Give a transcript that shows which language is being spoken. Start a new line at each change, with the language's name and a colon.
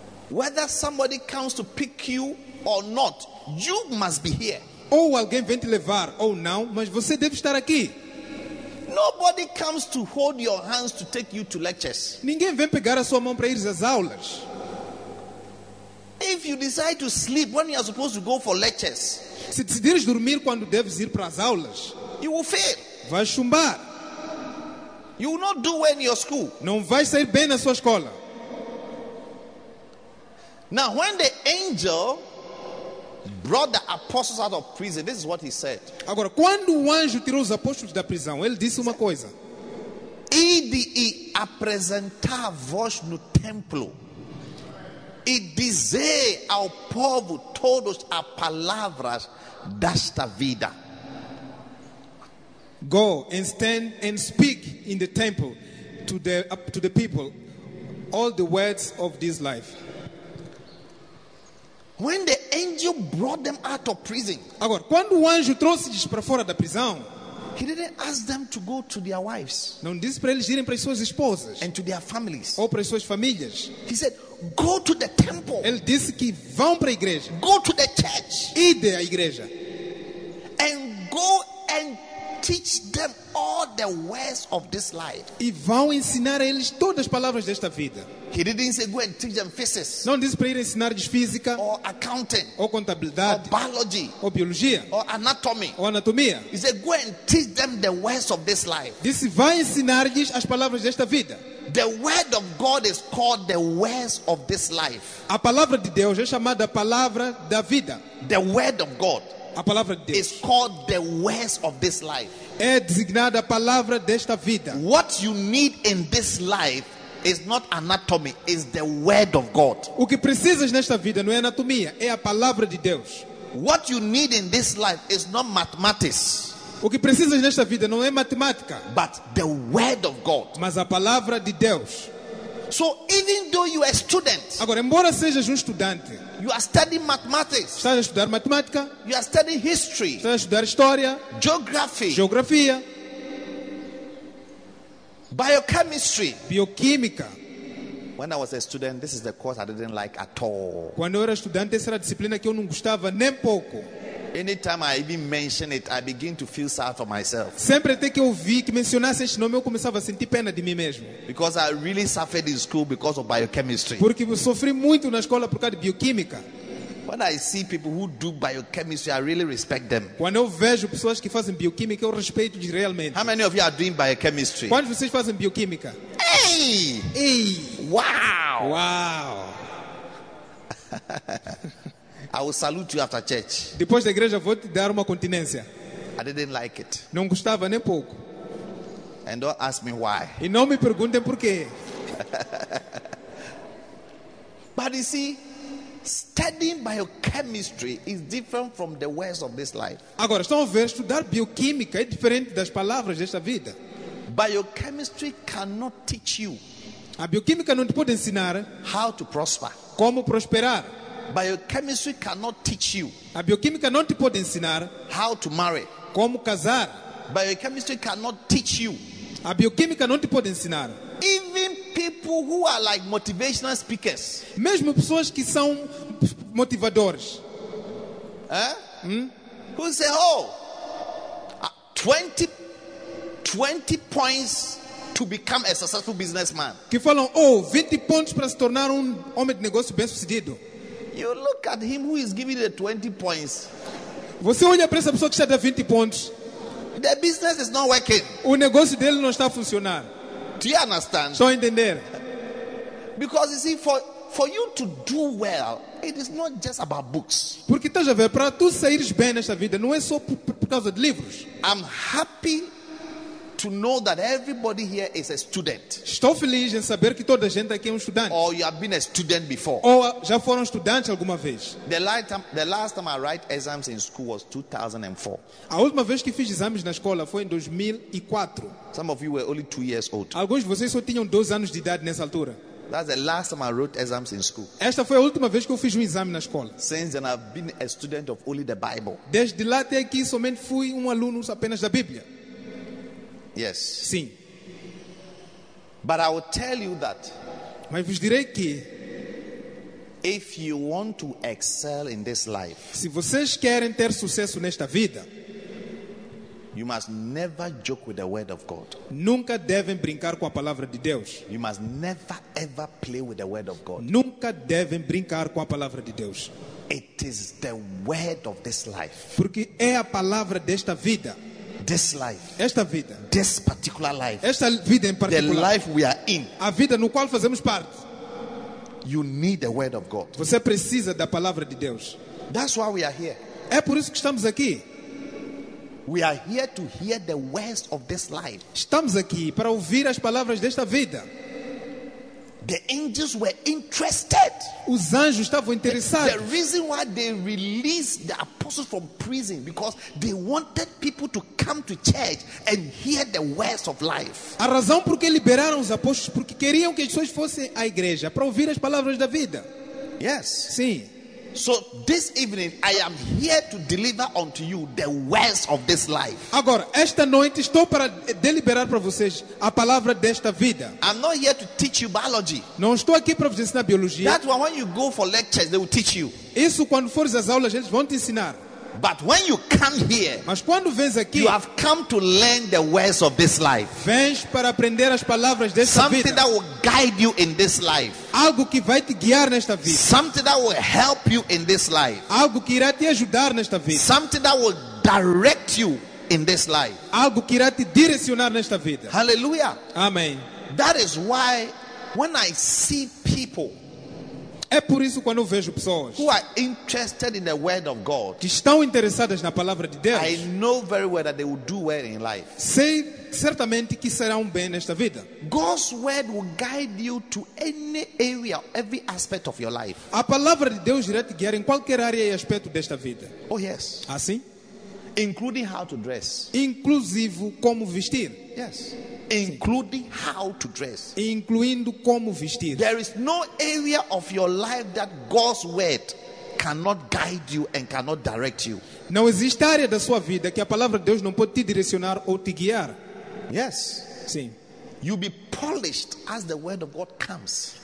English: Whether somebody comes to pick you or not, you must be here.
Portuguese: Ou alguém vem te levar ou não, mas você deve estar aqui.
English: Nobody comes to hold your hands to take you to lectures.
Portuguese: Ninguém vem pegar a sua mão para ir às aulas.
English: If you decide to sleep when you are supposed to go for lectures,
Portuguese: se decidires dormir quando deves ir para as aulas,
English: you will fail.
Portuguese: Vais chumbar.
English: You will not do well in your school.
Portuguese: Não vais sair bem na sua escola.
English: Now, when the angel brought the apostles out of prison, this is what he said.
Portuguese: Agora, quando o anjo tirou os apóstolos da prisão, ele disse uma coisa. Ide e apresentar a voz no templo. E dizer ao povo todos as palavras desta vida.
English: Go and stand and speak in the temple to the people all the words of this life. When the angel brought them out of prison,
Portuguese: agora, quando o anjo trouxe-lhes para fora da prisão,
English: he didn't ask them to go to their wives.
Portuguese: Não disse para eles irem para as suas esposas.
English: And to their families.
Portuguese: Ou para as suas famílias.
English: He said, go to the temple.
Portuguese: Ele disse que vão para a igreja.
English: Go to the church.
Portuguese: Ide à igreja.
English: And go and teach them all the words of this life.
Portuguese: E vão ensinar a eles todas as palavras desta vida.
English: He didn't say go and teach them physics.
Portuguese: Não disse para ir ensinar física.
English: Or accounting.
Portuguese: Ou contabilidade.
English: Or biology.
Portuguese: Ou biologia.
English: Or anatomy.
Portuguese: Ou anatomia.
English: He said go and teach them the words of this life.
Portuguese: Disse vai ensinar-lhes as palavras desta vida.
English: The word of God is called the words of this life.
Portuguese: A palavra de Deus é chamada palavra da vida.
English: The word of God.
Portuguese: A palavra de Deus.
English: It's called the words of this life.
Portuguese: É designada a palavra desta vida.
English: What you need in this life is not anatomy, it's the word of God.
Portuguese: O que precisas nesta vida não é anatomia, é a palavra de Deus.
English: What you need in this life is not mathematics.
Portuguese: O que precisas nesta vida não é matemática,
English: but the word of God.
Portuguese: Mas a palavra de Deus.
English: So even though you are a student,
Portuguese: agora embora sejas estudante,
English: you are studying mathematics.
Portuguese: Estás a estudar matemática.
English: You are studying history.
Portuguese: Estás a estudar história.
English: Geography.
Portuguese: Geografia.
English: Biochemistry.
Portuguese: Bioquímica.
English: When I was a student, this is the course I didn't like at all.
Portuguese: Quando eu era estudante, essa era a disciplina que eu não gostava nem pouco.
English: Anytime I even mention it, I begin to feel sad for myself.
Portuguese: Sempre até que eu vi que mencionasse este nome, eu começava a sentir pena de mim mesmo.
English: Because I really suffered in school because of biochemistry.
Portuguese: Porque eu sofri muito na escola por causa de bioquímica.
English: When I see people who do biochemistry, I really respect them.
Portuguese: Quando eu vejo pessoas que fazem bioquímica, eu respeito de realmente.
English: How many of you are doing biochemistry?
Portuguese: Quantos vocês fazem bioquímica? Hey! Hey! Wow! Wow!
English: I will salute you after church.
Portuguese: Depois da igreja vou te dar uma continência.
English: I didn't like it.
Portuguese: Não gostava nem pouco.
English: And don't ask me why.
Portuguese: E não me perguntem por quê.
English: But you see, studying biochemistry is different from the words of this life.
Portuguese: Agora estão a ver, estudar bioquímica é diferente das palavras desta vida.
English: Biochemistry cannot teach you.
Portuguese: A bioquímica não te pode ensinar
English: how to prosper.
Portuguese: Como prosperar.
English: Biochemistry cannot teach you.
Portuguese: A bioquímica não te pode ensinar
English: how to marry.
Portuguese: Como casar.
English: Biochemistry cannot teach you.
Portuguese: A bioquímica não te pode ensinar.
English: Even people who are like motivational speakers.
Portuguese: Mesmo pessoas que são motivadores.
English: Who say, oh, 20 points to become a successful businessman.
Portuguese: Que falam, oh, 20 pontos para se tornar homem de negócio bem sucedido.
English: You look at him who is giving the 20 points.
Portuguese: Você olha para essa pessoa que está dando 20 pontos.
English: The business is not working.
Portuguese: O negócio dele não está a funcionar.
English: Do you understand?
Portuguese: Estou a entender.
English: Because you see, for you to do well, it is not just about books.
Portuguese: Porque estás a ver, para tu saíres bem nesta vida, não é só por causa de livros.
English: I'm happy to know that everybody here is a student.
Portuguese: Estou feliz em saber que toda a gente aqui é estudante.
English: Or you have been a student before.
Portuguese: Ou já foram estudantes alguma vez.
English: The last time I write exams in school was 2004.
Portuguese: A última vez que fiz exames na escola foi em 2004.
English: Some of you were only 2 years old.
Portuguese: Alguns de vocês só tinham 2 anos de idade nessa altura.
English: That's the last time I wrote exams in school.
Portuguese: Esta foi a última vez que eu fiz exame na escola.
English: Since then I've been a student of only the Bible.
Portuguese: Desde lá até aqui somente fui aluno apenas da Bíblia.
English: Yes.
Portuguese: Sim.
English: But I will tell you that.
Portuguese: Mas vos direi que
English: if you want to excel in this life,
Portuguese: se vocês querem ter sucesso nesta vida,
English: you must never joke with the word of God.
Portuguese: Nunca devem brincar com a palavra de Deus.
English: You must never ever play with the word of God.
Portuguese: Nunca devem brincar com a palavra de Deus.
English: It is the word of this life.
Portuguese: Porque é a palavra desta vida.
English: This life,
Portuguese: esta vida,
English: this particular life,
Portuguese: esta vida em particular,
English: the life we are in,
Portuguese: a vida no qual fazemos parte,
English: you need the word of God.
Portuguese: Você precisa da palavra de Deus.
English: That's why we are here.
Portuguese: É por isso que estamos aqui.
English: We are here to hear the words of this life.
Portuguese: Estamos aqui para ouvir as palavras desta vida.
English: The angels were interested.
Portuguese: Os anjos estavam interessados.
English: The reason why they released the apostles from prison because they wanted people to come to church and hear the words of life.
Portuguese: A razão por que liberaram os apóstolos porque queriam que as pessoas fossem à igreja para ouvir as palavras da vida.
English: Yes.
Portuguese: Sim.
English: So this evening I am here to deliver unto you the words of this life.
Portuguese: Agora, esta noite estou para deliberar para vocês a palavra desta vida.
English: I'm not here to teach you biology.
Portuguese: Não estou aqui para vos ensinar biologia.
English: That one, when you go for lectures, they will teach you.
Portuguese: Isso quando fores às aulas eles vão te ensinar.
English: But when you come here,
Portuguese: mas quando vens aqui,
English: you have come to learn the words of this life.
Portuguese: Vens para aprender as palavras desta
English: something
Portuguese: vida.
English: That will guide you in this life.
Portuguese: Algo que vai te guiar nesta vida.
English: Something that will help you in this life.
Portuguese: Algo que irá te ajudar nesta vida.
English: Something that will direct you in this life.
Portuguese: Algo que irá te direcionar nesta vida.
English: Hallelujah.
Portuguese: Amém.
English: That is why when I see people,
Portuguese: é por isso quando eu vejo pessoas
English: who are interested in the word of God,
Portuguese: que estão interessadas na palavra de Deus,
English: I know very well that they will do well in life.
Portuguese: Sei certamente que serão bem nesta vida.
English: God's word will guide you to any area, every aspect of your life.
Portuguese: A palavra de Deus irá te guiar em qualquer área e aspecto desta vida.
English: Oh yes.
Portuguese: Assim?
English: Including how to dress.
Portuguese: Inclusive como vestir.
English: Yes. Including how to dress.
Portuguese: Incluindo como vestir.
English: There is no area of your life that God's word cannot guide you and cannot direct you.
Portuguese: Não existe área da sua vida que a palavra de Deus não pode te direcionar ou te guiar.
English: Yes.
Portuguese: Sim.
English: You'll be polished as the word of God comes.